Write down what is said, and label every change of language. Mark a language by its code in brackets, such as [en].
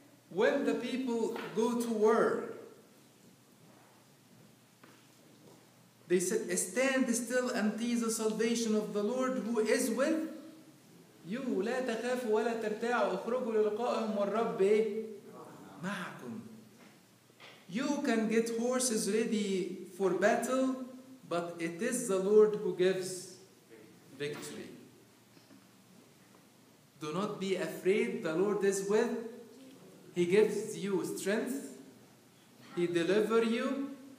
[en] When the people go to war, they said, "Stand still and see the salvation of the Lord who is with you." [ar] لا تخافوا ولا ترتاعوا. اخرجوا للقائهم والرب معكم. [en] You can get horses ready for battle, but it is the Lord who gives victory. Do not be afraid. The Lord is with you. He gives you strength. He delivers you.